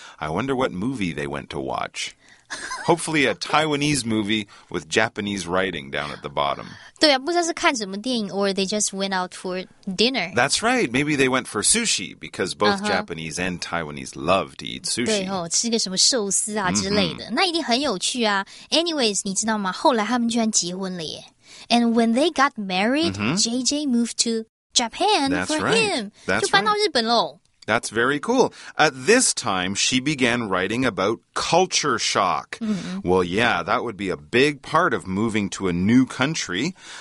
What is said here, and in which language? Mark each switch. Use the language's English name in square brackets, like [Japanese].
[English] I wonder what movie they went to watch. Hopefully a Taiwanese movie with Japanese writing down at the bottom. [Chinese] 对啊，不知道是看什么电影 [English] or they just went out for dinner. That's right. Maybe they went for sushi because both Japanese and Taiwanese love to eat sushi. [Chinese] 对哦，吃个什么寿司啊之类的。那一定很有趣啊。Anyways, 你知道吗？后来他们居然结婚了耶。 [English] And when they got married, JJ moved to Japan That's [Chinese] 就搬到日本喽。 [English] That's very cool. At this time, she began writing about culture shock. Well, yeah, that would be a big part of moving to a new country.